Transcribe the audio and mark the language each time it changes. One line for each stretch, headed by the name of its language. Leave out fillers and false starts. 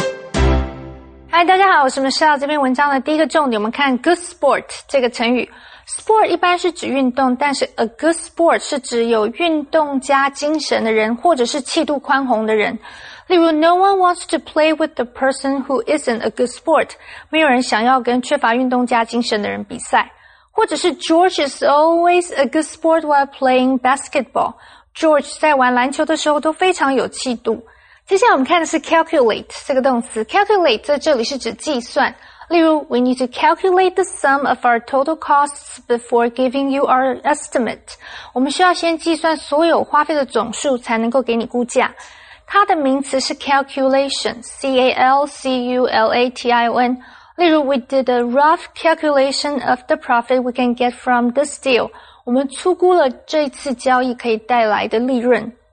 English: Hi,
Chinese: 大家好，我是 Michelle。这篇文章的第一个重点，我们看 good sport 这个成语。 Sport 一般是指运动，但是 a good sport 是指有运动家精神的人，或者是气度宽宏的人。例如
English: No one wants to play with the person who isn't a good sport.
Chinese: 没有人想要跟缺乏运动家精神的人比赛。或者是
English: George is always a good sport while playing basketball.
Chinese: George 在玩篮球的时候都非常有气度。接下来我们看的是 calculate 这个动词。 Calculate 在这里是指计算。例如
English: We need to calculate the sum of our total costs before giving you our estimate.
Chinese: 我们需要先计算所有花费的总数才能够给你估价。它的名词是 calculation, C-A-L-C-U-L-A-T-I-O-N. 例如
English: we did a rough calculation of the profit we can get from this deal.
Chinese: 我们粗估了这次交易可以带来的利润。